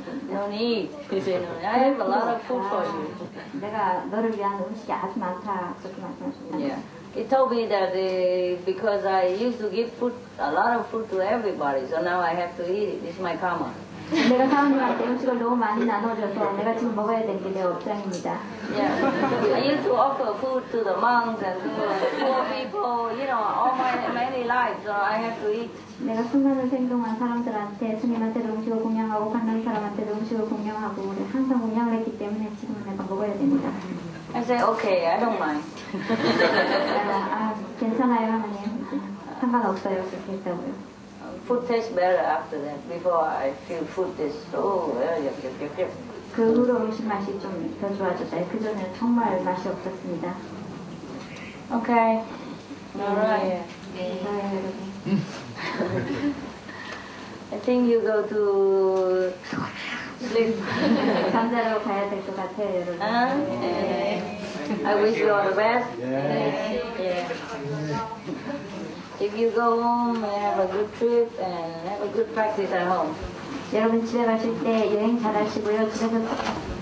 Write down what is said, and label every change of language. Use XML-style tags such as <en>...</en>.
<ko>너니 그제는</ko> <en>I have a lot of food for you.</en> <ko>내가 너를 위한 음식이 아주 많다 그렇게 말씀하셨다.</ko> <en>He told me that because I used to give food, a lot of food to everybody, so now I have to eat it. This is my karma.</en> <ko>내가 사람들한테 음식을 너무 많이 나눠줘서 내가 지금 먹어야 될 게 내 업장입니다.</ko> <en>Yeah. I used to offer food to the monks and to poor people, you know, all my many lives, so I have to eat.</en> <ko>내가 순간을 생동한 사람들한테 스님한테도 음식을 공양하고 받는 사람한테도 음식을 공양하고 항상 공양을 했기 때문에 지금 내가 먹어야 됩니다.</ko> <en>I say, okay, I don't mind.</en> <ko>아, 괜찮아요, 하나님. 상관없어요, 그렇게 했다고요.</ko> <en>Food tastes better after that. Before I feel food tastes so very good.</en> <ko>그 후로 음식 맛이 좀 더 좋아졌어요. 그 전에 정말 맛이 없었습니다.</ko> <en>Okay. Alright. I think you go to sleep.</en> <ko>잠자러 가야 될 것 같아요, 여러분.</ko> <en>I wish you all the best. Yeah. If you go home, have a good trip and have a good practice at home.</en> <ko>여러분 집에 가실 때 여행 잘 하시고요. 집에서</ko>